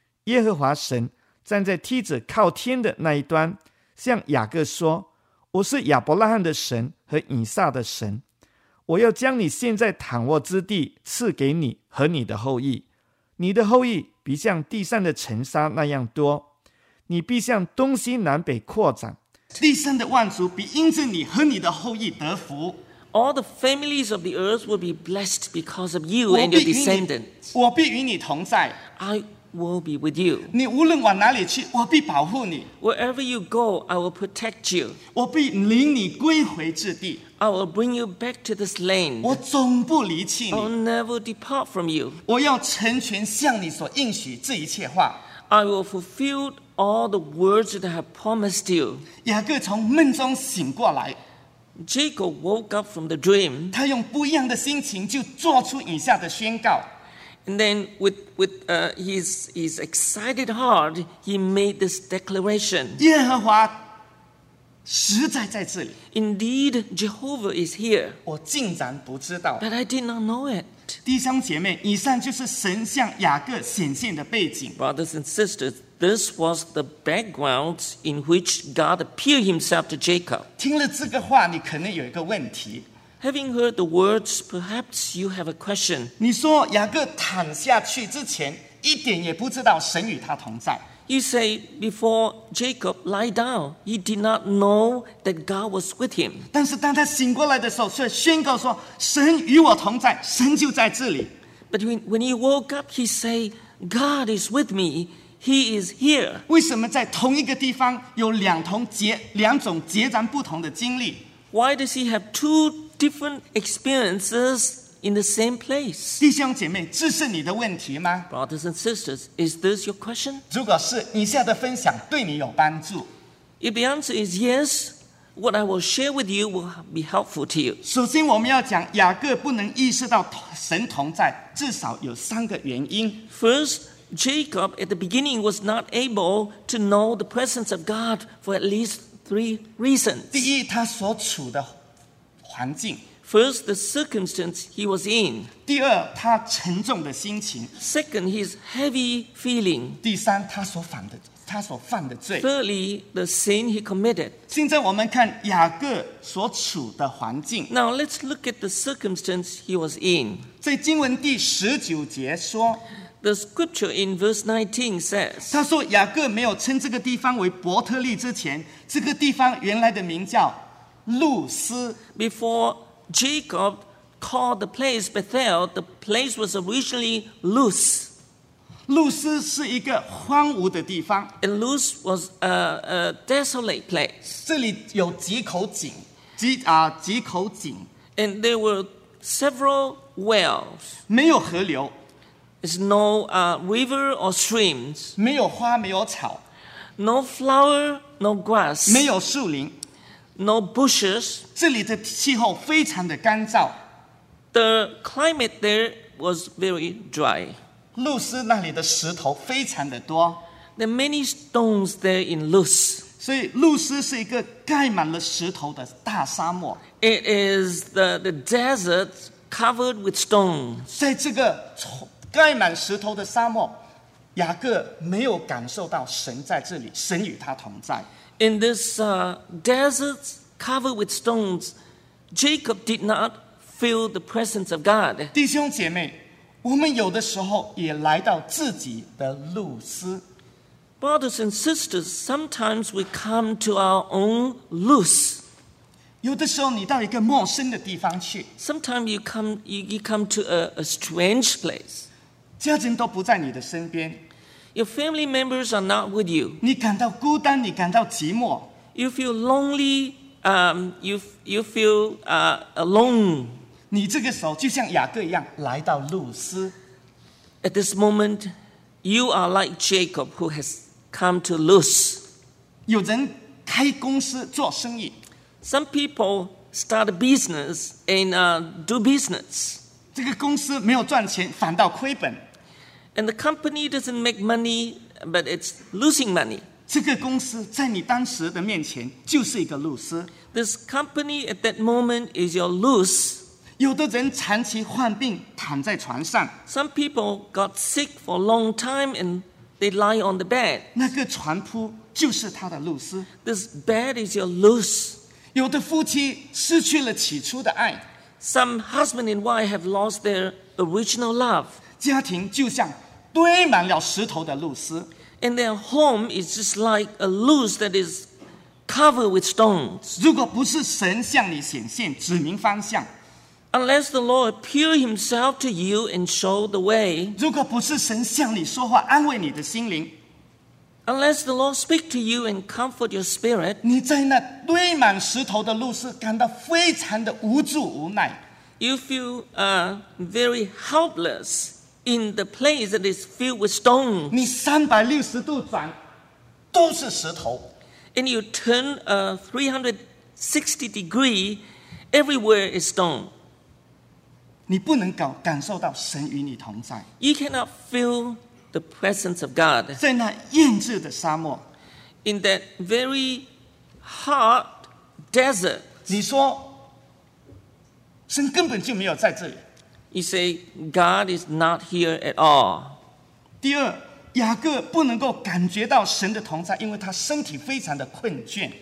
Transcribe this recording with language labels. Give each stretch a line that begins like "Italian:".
Chinese: 耶和华神站在梯子靠天的那一端，向雅各说，我是亚伯拉罕的神和以撒的神，我要将你现在躺卧之地赐给你和你的后裔，你的后裔必像地上的尘沙那样多，你必向东西南北扩展，地上的万族必因着你和你的后裔得福。
English: All the families of the earth will be blessed because of you and your descendants.
Chinese: 我必与你同在。
English: I will be with you.
Chinese: 你无论往哪里去，我必保护你。
English: Wherever you go, I will protect you.
Chinese: 我必领你归回之地。
English: I will bring you back to this land.
Chinese: 我总不离弃你。
English: I will never depart from you.
Chinese: 我要成全向你所应许这一切话。
English: I will fulfill all the words that I have promised you.
Chinese: 雅各从梦中醒过来。
English: Jacob woke up from the dream.
Chinese: 他用不一样的心情就做出以下的宣告。
English: And then with his excited heart, he made this declaration.
Chinese: 耶和华实在在这里。
English: Indeed, Jehovah is here.
Chinese: 我竟然不知道。
English: But I did not know it.
Chinese: 弟兄姐妹，以上就是神向雅各显现的背景。
English: Brothers and sisters, this was the background in which God appeared himself to Jacob.
Chinese: 听了这个话，你可能有一个问题。
English: Having heard the words, perhaps you have a question.
Chinese: 你说雅各躺下去之前，一点也不知道神与他同在。
English: You say before Jacob lie down, he did not know that God was with him.
Chinese: 但是当他醒过来的时候，却宣告说，神与我同在，神就在这里。
English: But when he woke up, he say, God is with me, he is here.
Chinese: 为什么在同一个地方有两种截然不同的经历？
English: Why does he have two different experiences in the same place?
Chinese: 弟兄姐妹，这是你的问题吗？
English: Brothers and sisters, is this your question?
Chinese: 如果是，以下的分享对你有帮助。
English: If the answer is yes,What I will share with you will be helpful to you.
Chinese: 首先我们要讲雅各不能意识到神同在，至少有三个原因。
English: First, Jacob at the beginning was not able to know the presence of God for at least 3 reasons.
Chinese: 第一，他所处的环境。
English: First, the circumstance he was in.
Chinese: 第二，他沉重的心情。
English: Second, his heavy feeling.
Chinese: 第三，他所犯的罪。
English: Thirdly, the sin he committed.
Chinese: 现在我们看雅各所处的环境。
English: Now let's look at the circumstance he was in.
Chinese: 在经文第19节说，
English: The scripture in verse 19 says,
Chinese: 他说雅各没有称这个地方为伯特利之前，这个地方原来的名叫路斯。
English: Before Jacob called the place Bethel, the place was originally Luz.
Chinese: 路斯是一个荒芜的地方。
English: And Luz was a desolate place.
Chinese: 这里有几口井，几口井。
English: And there were several wells.
Chinese: 没有河流。
English: There's no river or streams.
Chinese: 没有花，没有草。
English: No flower, no grass.
Chinese: 没有树林。
English: No bushes.
Chinese: 这里的气候非常的干燥。
English: The climate there was very dry.
Chinese: 路斯那里的石头非常的多。
English: There are many stones there in Luz.
Chinese: 所以路斯是一个盖满了石头的大沙漠。
English: It is the desert covered with stones.
Chinese: 在这个盖满石头的沙漠，雅各没有感受到神在这里，神与他同在。
English: In this desert covered with stones, Jacob did not feel the presence of God.
Chinese: 弟兄姐妹，我们有的时候也来到自己的路斯。
English: Brothers and sisters, sometimes we come to our own Luz.
Chinese: 有的时候你到一个陌生的地方去。
English: Sometimes you come to a strange place.
Chinese: 家人都不在你的身边。
English: Your family members are not with you.
Chinese: 你感到孤单，你感到寂寞。
English: You feel lonely. You feel alone.
Chinese: 你这个时候就像雅各一样来到路斯。
English: At this moment, you are like Jacob who has come to Luz.
Chinese: 有人开公司做生意。
English: Some people start a business and do business.
Chinese: 这个公司没有赚钱，反倒亏本。
English: And the company doesn't make money, but it's losing money.
Chinese: 这个公司在你当时的面前就是一个路斯。
English: This company at that moment is your Luz.
Chinese: 有的人长期患病，躺在床上。
English: Some people got sick for a long time and they lie on the bed.
Chinese: 那个床铺就是他的路斯。
English: This bed is your Luz.
Chinese: 有的夫妻失去了起初的爱。
English: Some husband and wife have lost their original love.
Chinese: 家庭就像堆满了石头的路斯。
English: And their home is just like a loose that is covered with stones.
Chinese: 如果不是神向你显现，指明方向。
English: Unless the Lord appear himself to you and show the way.
Chinese: 如果不是神向你说话，安慰你的心灵。
English: Unless the Lord speak to you and comfort your spirit,
Chinese: 你在那堆满石头的路斯感到非常的无助无奈。
English: You feel very helpless in the place that is filled with stones.
Chinese: 你360度转都是石头。
English: And you turn 360 degree, everywhere is stone.
Chinese: 你不能感受到神与你同在。
English: You cannot feel. The presence of God.
Chinese: 在那厌倦的沙漠
English: In that very hot desert.
Chinese: 你说神根本就没有在这里
English: You say God is not here at all.
Chinese: 第二雅各不能够感觉到神的同在因为他身体非常的困倦